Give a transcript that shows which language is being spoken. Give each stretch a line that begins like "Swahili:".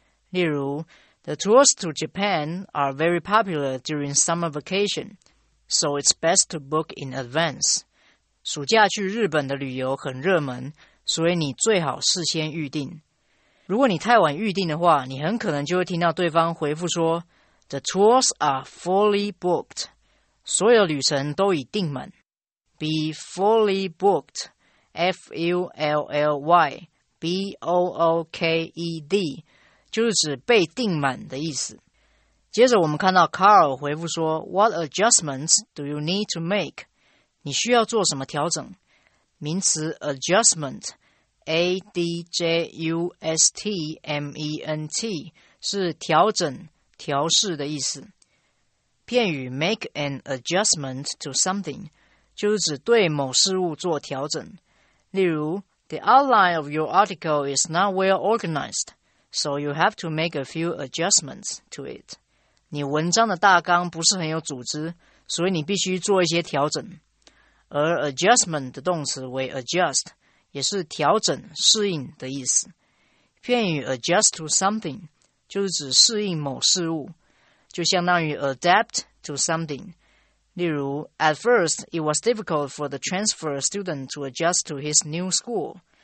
Chinese: 例如
English: ,The tours to Japan are very popular during summer vacation, so it's best to book in advance.
Chinese: 暑假去日本的旅游很热门，所以你最好事先预定。如果你太晚预定的话，你很可能就会听到对方回复说 ,
English: The tours are fully booked.
Chinese: 所有旅程都已订满。
English: Be fully booked,
Chinese: F-U-L-L-Y, B-O-O-K-E-D, 就是指被订满的意思。接着我们看到
English: Carl
Chinese: 回复说
English: What adjustments do you need to make?
Chinese: 你需要做什么调整？名词 adjustment, A-D-J-U-S-T-M-E-N-T, 是调整、调试的意思。片语
English: make an adjustment to something,
Chinese: 就是指对某事物做调整。例如
English: ,The outline of your article is not well organized, so you have to make a few adjustments to it.
Chinese: 你文章的大纲不是很有组织，所以你必须做一些调整。而 adjustment 的动词为 adjust, 也是调整、适应的意思。片语
English: adjust to something,
Chinese: 就是指适应某事物，就相当于
English: adapt to something,
Chinese: 例如
English: ,At first, it was difficult for the transfer student to adjust to his new school.